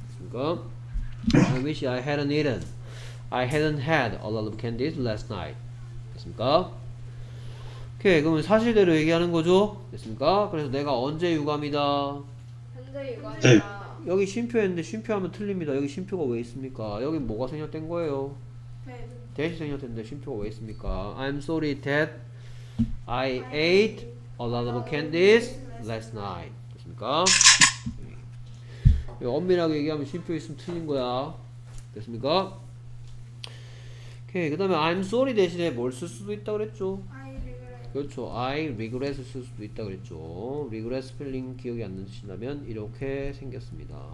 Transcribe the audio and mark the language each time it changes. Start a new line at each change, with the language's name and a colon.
Korean: 그러니까
English: I wish I hadn't eaten. I hadn't had a lot of candies last night.
Korean: 됐습니까? 오케이, 그러면 사실대로 얘기하는 거죠? 됐습니까? 그래서 내가 언제 유감이다? 현재 유감이다. 여기 쉼표였는데 쉼표하면 틀립니다. 여기 쉼표가 왜 있습니까? 여기 뭐가 생략된 거예요? 대시 생략됐는데 쉼표가 왜 있습니까?
English: I'm sorry that I ate a lot of candies last night.
Korean: 됐습니까? 엄밀하게 얘기하면 쉼표 있으면 틀린 거야. 됐습니까? 오케이, 그 다음에
English: I'm sorry
Korean: 대신에 뭘 쓸 수도 있다 그랬죠? 그렇죠.
English: I regret
Korean: 쓸 수도 있다 그랬죠.
English: Regret spelling
Korean: 기억이 안 나신다면 이렇게 생겼습니다.